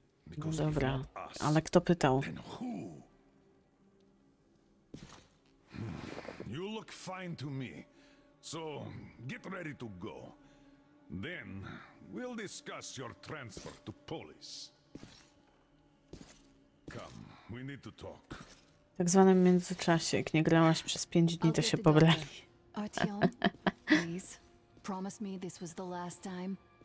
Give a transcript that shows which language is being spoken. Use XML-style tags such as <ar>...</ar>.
<en>Because of us.</en> <pl>Ale kto pytał?</pl> <en>Then who? You look fine to me. So get ready to go. Then we'll discuss your transfer to police. Come, we need to talk.</en> <pl>Tak zwanym międzyczasie, jak nie grałaś przez 5 dni, to się pobrali.</pl> <en>Please promise me this was the last time.</en>